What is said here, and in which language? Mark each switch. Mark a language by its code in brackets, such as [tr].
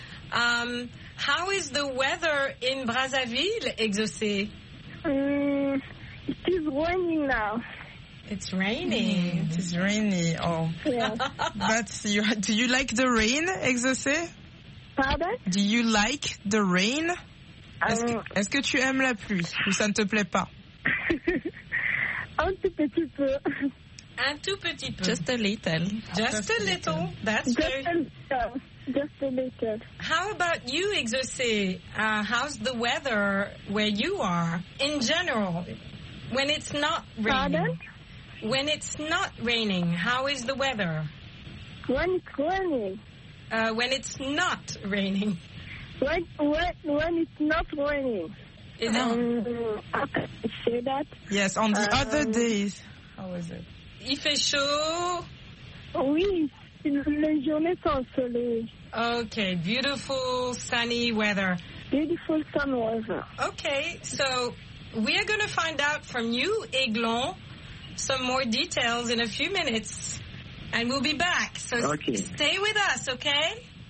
[en] How is the weather in Brazzaville, exaucé? It is raining now. It's raining. It is rainy. Oh. Yes. Do you like the rain, exaucé? Pardon? Do you like the rain? [fr] Est-ce que tu aimes la pluie ou ça ne te plaît pas? Un tout petit peu. Un tout petit peu. [en] Just a little. Just a little. That's good. Just a little. How about you, Exaucé? How's the weather where you are in general? When it's not raining. Pardon? When it's not raining, how is the weather? When it's raining. When it's not raining. When it's not raining. Is it? How can I say that? Yes, on the other days. How is it? [fr] Il fait chaud. Oui, les journées sont soleil. [en] Okay, beautiful sunny weather. Beautiful sun weather. Okay, so we are going to find out from you, Aiglon, some more details in a few minutes. And we'll be back. So okay. Stay with us, okay?